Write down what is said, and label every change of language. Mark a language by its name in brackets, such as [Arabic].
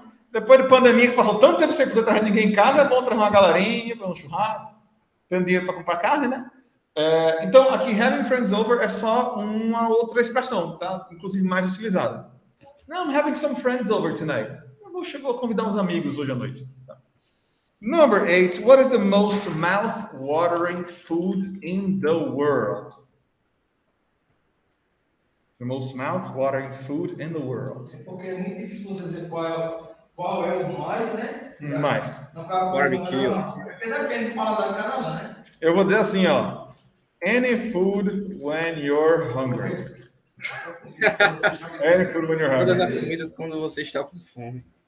[Portuguese] Depois de pandemia, que passou tanto tempo sem poder trazer ninguém em casa, é bom trazer uma galerinha, para um churrasco, tendo dinheiro para comprar carne, né? Então, aqui, having friends over é só uma outra expressão, tá? [English] Inclusive, mais utilizada. Não, I'm having some friends over tonight. [Portuguese] Eu vou convidar uns amigos hoje à noite. Tá? [English] Number eight, what is the most mouth-watering food in the world? The most mouth-watering food in the world. [Portuguese] Porque é muito difícil você dizer qual é o mais, né? Mais. [English] Barbecue. [Portuguese] Depende do paladar do cara, né? [English] Eu vou dizer assim, ó. Any food when you're hungry. Any food when you're hungry. [Portuguese] Todas as comidas quando você está com fome.